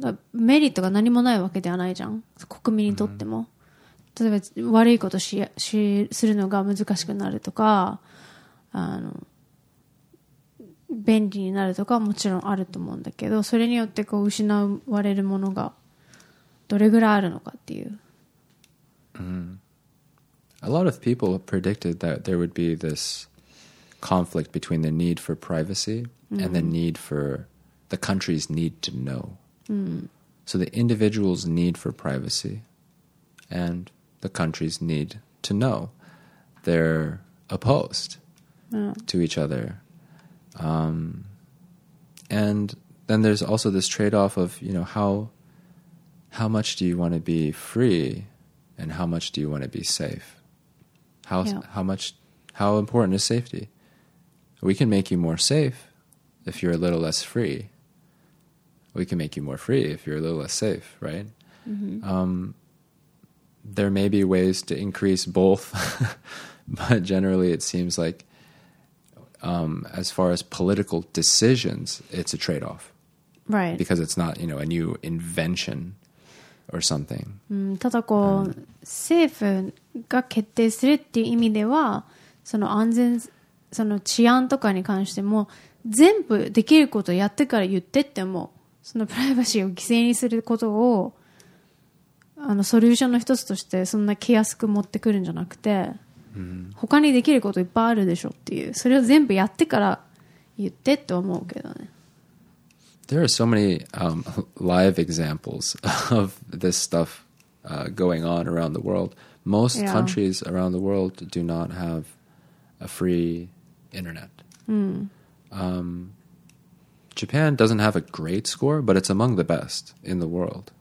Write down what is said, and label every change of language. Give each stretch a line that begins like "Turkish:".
Japanese: だからメリットが何もないわけではないじゃん、国民にとっても、うん、例えば悪いことしするのが難しくなるとか、あの便利になるとかはもちろんあると思うんだけど、それによってこう失われるものがどれぐらいあるのかっていう、うん、
English: A lot of people predicted that there would be this conflict between the need for privacy、mm-hmm. and the need for the country's need to know.、 Mm-hmm. So the individual's need for privacy and the country's need to know, they're opposed、to each other.、and then there's also this trade-off of, you know, how much do you want to be free and how much do you want to be safe? How important is safety? We can make you more safe if you're a little less free. We can make you more free if you're a little less safe, right?、 Mm-hmm. There may be ways to increase both, but generally it seems like、as far as political decisions, it's a trade-off. Right. Because it's not, you know, a new invention. Or something.
Japanese: ただこう、政府が決定するっていう意味ではその安全その治安とかに関しても全部できることをやってから言ってってもそのプライバシーを犠牲にすることをあのソリューションの一つとしてそんな気安く持ってくるんじゃなくて、うん、他にできることいっぱいあるでしょっていうそれを全部やってから言ってって思うけどね。
English: There are so many、live examples of this stuff、going on around the world. Most、yeah. countries around the world do not have a free internet.、Mm. Japan doesn't have a great score, but it's among the best in the world.、